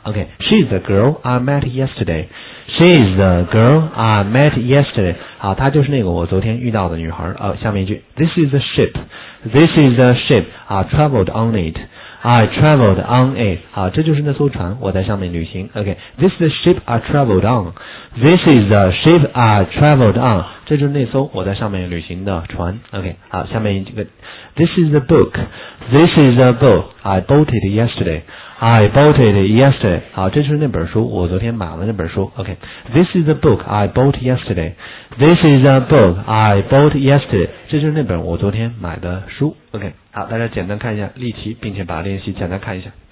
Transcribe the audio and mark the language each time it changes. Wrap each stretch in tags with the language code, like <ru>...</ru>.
<en>OK， she is a girl I met yesterday， she is a girl I met yesterday，</en> <zh>好，她就是那个我昨天遇到的女孩。下面一句</zh> <en>，this is a ship， this is a ship， I traveled on it。 I traveled on it.</en> <zh>好，这就是那艘船，我在上面旅行。</zh> <en>OK, this is the ship I traveled on. This is the ship I traveled on.</en> <zh>这就是那艘我在上面旅行的船。</zh> <en>OK,</en> <zh>好，下面一个</zh> <en>，This is the book. This is the book I bought it yesterday. I bought it yesterday.</en> <zh>好，这就是那本书，我昨天买了那本书。</zh> <en>OK, this is the book I bought yesterday. This is the book I bought yesterday.</en> <zh>这就是那本我昨天买的书。</zh> <en>OK。</en> <zh>好，大家简单看一下例题，并且把练习简单看一下。</zh>